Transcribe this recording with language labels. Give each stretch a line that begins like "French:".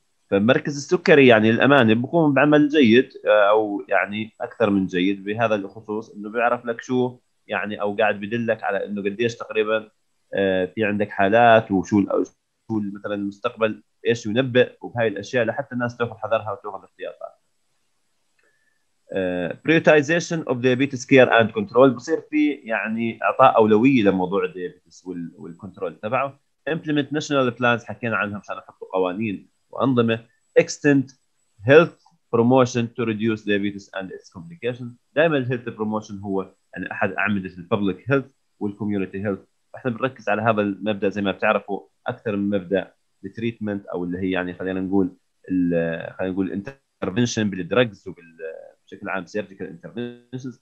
Arabic: فمركز السكري يعني للامانه بقوم بعمل جيد او يعني اكثر من جيد بهذا الخصوص، انه بيعرف لك شو يعني او قاعد بدلك على انه قديش تقريبا في عندك حالات وشو شو مثلا المستقبل ايش ينبئ وبهاي الاشياء لحتى الناس تاخذ حذرها وتاخذ احتياطات.
English: Prioritization of diabetes care and control
Arabic: بصير في يعني اعطاء اولويه لموضوع الديابيتس والكنترول تبعه.
English: Implement national plans
Arabic: حكينا عنها مشان نحط قوانين وانظمه.
English: Extend health promotion to reduce diabetes and its complications.
Arabic: دائما الهيلث بروموشن هو يعني احد اعمده البابليك هيلث والكوميونتي هيلث. احنا بنركز على هذا المبدا زي ما بتعرفوا اكثر من مبدا التريتمنت او اللي هي يعني خلينا نقول خلينا نقول الانترفنشن بالدرجز وبال بشكل عام سيرجيكال انترفنشنز.